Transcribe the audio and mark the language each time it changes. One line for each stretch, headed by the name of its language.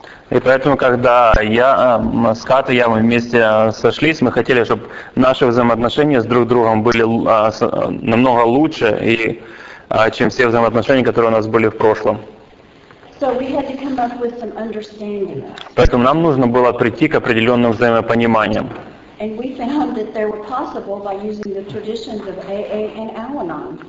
Russian: И поэтому, когда Скат и я мы вместе сошлись, мы хотели, чтобы наши взаимоотношения с друг другом были намного лучше, чем все взаимоотношения, которые у нас были в прошлом.
English: So we had to come up with some understanding.
Russian: Поэтому нам нужно было прийти к определенным взаимопониманиям.
English: And we found that they were possible by using the traditions of AA and Al-Anon.